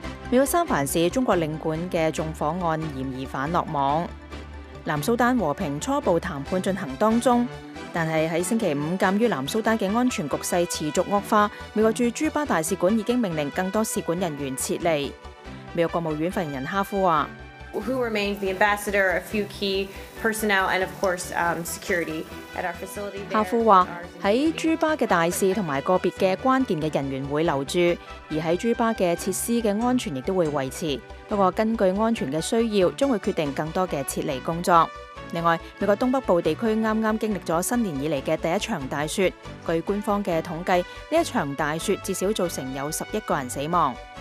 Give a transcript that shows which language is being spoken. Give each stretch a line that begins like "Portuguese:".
Chinese: 美国三藩市中国领馆的纵火案嫌疑犯落网，南苏丹和平初步谈判进行当中，但是在星期五，鉴于南苏丹的安全局势持续恶化，美国驻朱巴大使馆已经命令更多使馆人员撤离。美国国务院发言人哈夫说，
English: Who remains the ambassador, a few key personnel, and of course, security at our facility there.
Chinese: 哈夫說，在朱巴的大使和個別的關鍵的人員會留住，而在朱巴的設施的安全也都會維持，不過根據安全的需要，將會決定更多的撤離工作。另外，美國東北部地區剛剛經歷了新年以來的第一場大雪，據官方的統計，這一場大雪至少造成有11個人死亡。